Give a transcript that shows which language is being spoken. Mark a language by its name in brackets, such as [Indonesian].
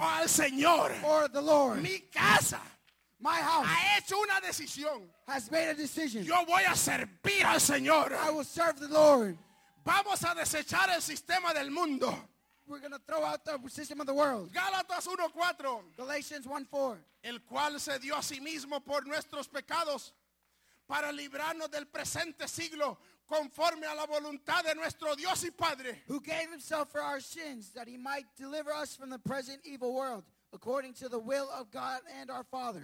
[Spanish] O al Señor. [English] Or the Lord. [Spanish] Mi casa. [English] My house [Spanish] ha hecho una decisión. [English] Has made a decision. [Spanish] Yo voy a servir al Señor. [English] I will serve the Lord. [Spanish] Vamos a desechar el sistema del mundo. [English] We're going to throw out the system of the world. [Spanish] Gálatas 1:4. [English] Galatians 1:4. [Spanish] El cual se dio a sí mismo por nuestros pecados para librarnos del presente siglo conforme a la voluntad de nuestro Dios y Padre. [English] Who gave himself for our sins that he might deliver us from the present evil world. According to the will of God and our Father.